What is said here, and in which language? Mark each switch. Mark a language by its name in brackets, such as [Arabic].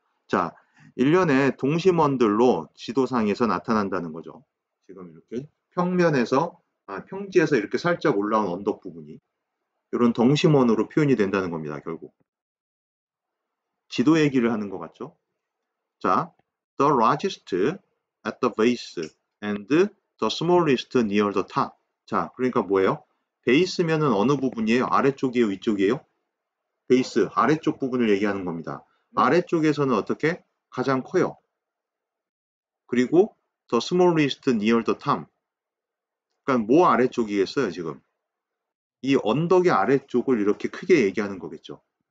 [Korean] 자, 일련의 동심원들로 지도상에서 나타난다는 거죠. 지금 이렇게 평지에서 이렇게 살짝 올라온 언덕 부분이 이런 동심원으로 표현이 된다는 겁니다. 결국. 지도 얘기를 하는 것 같죠? [English] 자, the largest at the base and the smallest near the top. [Korean] 자, 그러니까 뭐예요? 베이스면은 어느 부분이에요? 아래쪽이에요? 위쪽이에요? 베이스, 아래쪽 부분을 얘기하는 겁니다. 아래쪽에서는 어떻게? 가장 커요. 그리고 [English] the smallest near the top. [Korean] 그러니까 뭐 아래쪽이겠어요, 지금? 이 언덕의 아래쪽을 이렇게 크게 얘기하는 거겠죠?